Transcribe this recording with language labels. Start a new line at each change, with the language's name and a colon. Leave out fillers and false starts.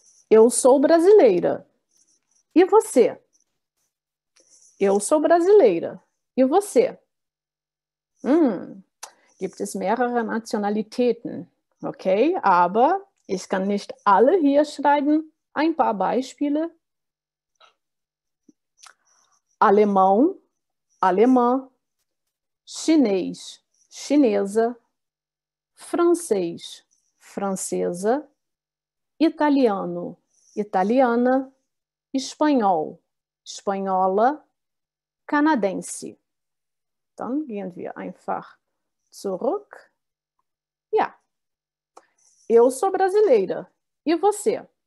Portuguese: Eu sou brasileira. E você? Eu sou brasileira. E você?
German: Gibt es mehrere Nationalitäten? Okay, aber ich kann nicht alle hier schreiben. Ein paar Beispiele.
Portuguese: Alemão, alemã, chinês, chinesa, francês, francesa, italiano, italiana, espanhol, espanhola, canadense.
German: Dann gehen wir einfach zurück.
Portuguese: Eu sou brasileira. E você?